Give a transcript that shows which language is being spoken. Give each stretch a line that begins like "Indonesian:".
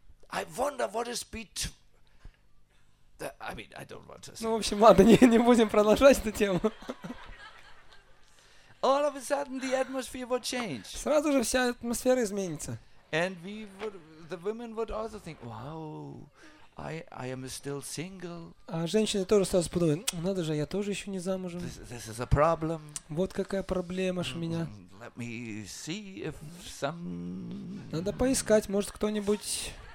English: I wonder what is I mean, I don't want to say.
Russian: Ну, в общем, ладно, не будем продолжать эту тему.
English: All of a sudden the atmosphere would change.
Russian: Сразу же вся атмосфера изменится.
English: And we would, the women would also think, wow. I am still single.
Russian: А женщины тоже сразу подумают, надо же, я тоже еще не замужем.
English: This is a problem.
Russian: Вот какая проблема ж у меня.
English: Let me see if some.
Russian: Надо поискать, может кто-нибудь.